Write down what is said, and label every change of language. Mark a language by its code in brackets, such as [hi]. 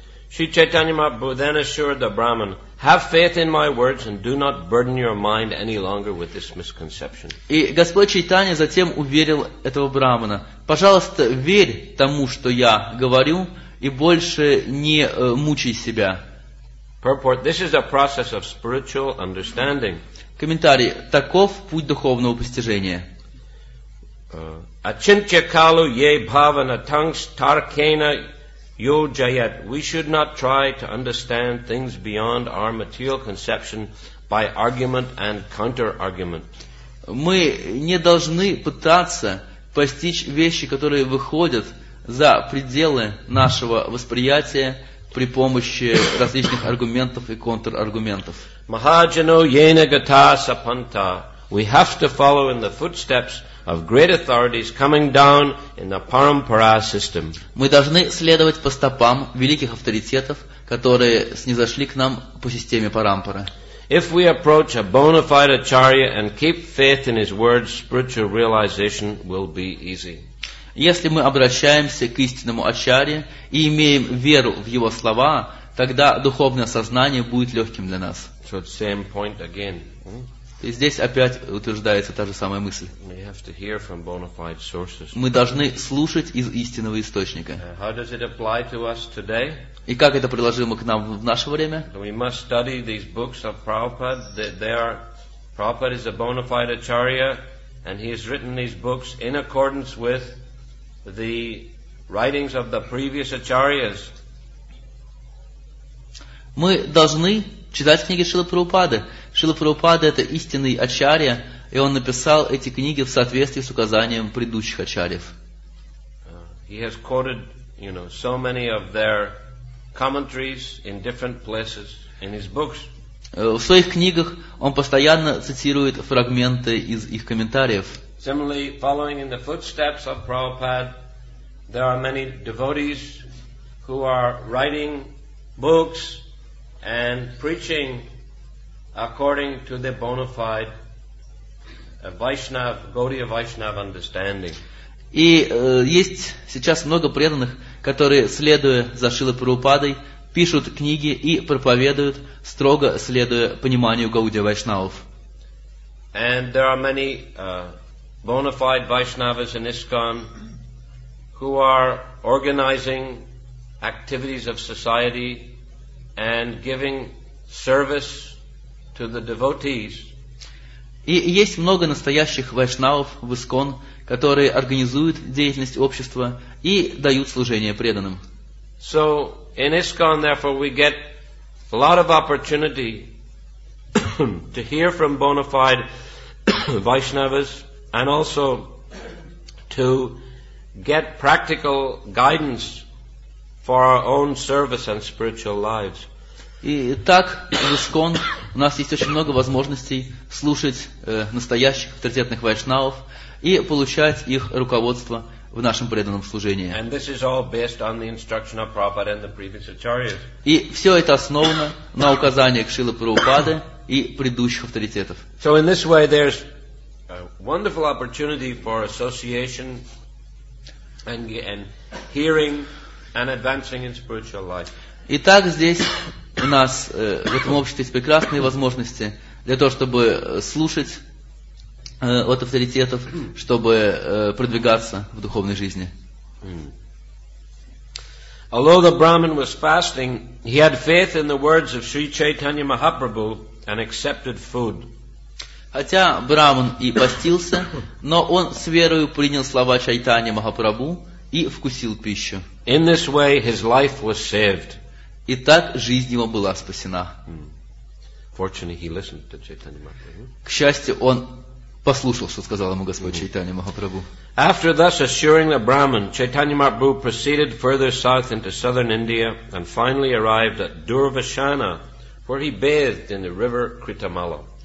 [en] Шри Чайтанья Махапрабху then assured the Brahman, have faith in my words and do not burden your mind any longer with this misconception. [ru] И Господь Чайтанья затем уверил этого Брахмана, пожалуйста, верь тому, что я говорю, и больше не мучай себя. [en] Purport, this is a process of spiritual understanding. [ru] Комментарий. Таков путь духовного постижения. [sa] Ачинтья калу е бхавана танкс таркена йоджаят. [en] We should not try to understand things beyond our material conception by argument and counter-argument. [ru] Мы не должны пытаться постичь вещи, которые выходят за пределы нашего восприятия при помощи различных аргументов и контраргументов. [sa] Mahajano yena gata sapanta. [en] We have to follow in the footsteps of great authorities coming down in the parampara system. [ru] Мы должны следовать по стопам великих авторитетов, которые снизошли к нам по системе парампара. [en] If we approach a bona fide acharya and keep faith in his words, spiritual realization will be easy. [ru] Если мы обращаемся к истинному Ачарье и имеем веру в его слова, тогда духовное сознание будет легким для нас. [en] So same point again. [ru] И здесь опять утверждается та же самая мысль. [en] We have to hear from bona fide sources. [ru] Мы должны слушать из истинного источника. [en] How does it apply to us today? [ru] И как это приложимо к нам в наше время? [en] We must study these books of Prabhupada. Prabhupada is a bona fide Acharya, and he has written these books in accordance with the writings of the previous acharyas. [ru] Мы должны читать книги Шрилы Прабхупады. Шрила Прабхупада это истинный ачарья, и он написал эти книги в соответствии с указанием предыдущих ачарьев. [en] He has quoted, you know, so many of their commentaries in different places in his books. [ru] В своих книгах он постоянно цитирует фрагменты из их комментариев. [en] Similarly, following in the footsteps of Prabhupada, there are many devotees who are writing books and preaching according to the bona fide Vaishnava, Gaudiya Vaishnava understanding. [ru] И есть сейчас много преданных, которые, следуя за Шрилой Прабхупадой, пишут книги и проповедуют, строго следуя пониманию Гаудия Вайшнавов. [en] And there are many bona fide Vaishnavas in ISKCON who are organizing activities of society and giving service to the devotees. [ru] И есть много настоящих вайшнавов в ИСКОН, которые организуют деятельность общества и дают служение преданным. [en] So in ISKCON, therefore, we get a lot of opportunity to hear from bona fide Vaishnavas and also to get practical guidance for our own service and spiritual lives. [ru] И так в ИСКОН у нас есть очень много возможностей слушать настоящих авторитетных вайшнавов и получать их руководство в нашем преданном служении. [en] And this is all based on the instruction of Prabhupada and the previous acharyas. [ru] И все это основано на указаниях Шрилы Прабхупады и предыдущих авторитетов. [en] So in this way there's a wonderful opportunity for association and hearing and advancing in spiritual life. [ru] Итак, здесь у нас в этом обществе есть прекрасные возможности для того, чтобы слушать от авторитетов, чтобы продвигаться в духовной жизни. [en] Although the Brahmin was fasting, he had faith in the words of Sri Chaitanya Mahaprabhu and accepted food. [ru] Хотя Брахман и постился, но он с верою принял слова Чайтани Махапрабху и вкусил пищу. [en] In this way his life was saved. [ru] И так жизнь его была спасена. [en] Fortunately, he listened to Chaitanya Mahaprabhu. [ru] К счастью, он послушал, что сказал ему Господь Чайтанья Махапрабху. [en] After thus assuring the Brahmin, Chaitanya Mahaprabhu proceeded further south into southern India and finally arrived at Durvashana, where he bathed in the river Kritamala.